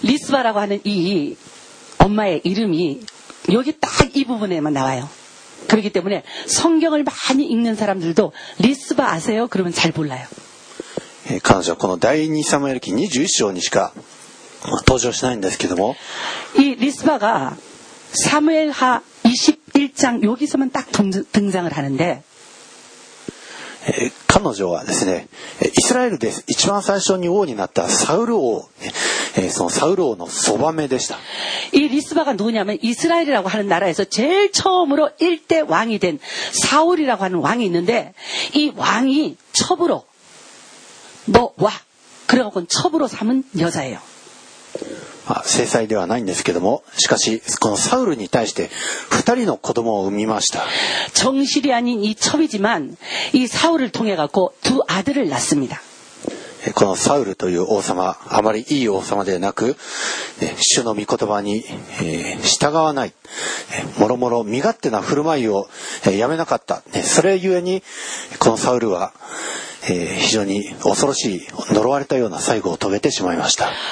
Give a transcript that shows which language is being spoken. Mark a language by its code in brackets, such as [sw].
[ko] リツパ라고하는이엄마의이름이여기딱이부분에만나와요。 그렇기때문에성경을많이읽는사람들도리스바아세요그러면잘몰라요。 [ja] 彼女はこの第2サムエル記21章にしか登場しないんですけども、 [ko] 이리스바가사무엘하21장여기서만딱 등장을하는데、 [ja] 彼女はですね、イスラエルで一番最初に王になったサウル王、そのサウル王のそばめでした。 [ko] 이리스바가누구냐면이스라엘이라고하는나라에서제일처음으로일대왕이된사울이라고하는왕이있는데이왕이첩으로너와그래갖고는첩으로삼은여자예요。 [ja] まあ、制裁ではないんですけども、しかしこのサウルに対して2人の子供を産みました。 [ko] 정실이아닌이첩이지만이사울을통해갖고두아들을낳습니다。 [ja] このサウルという王様、あまりいい王様ではなく、主の御言葉に従わない、もろもろ身勝手な振る舞いをやめなかった、それゆえにこのサウルは非常に恐ろしい呪われたような最後を遂げてしまいました。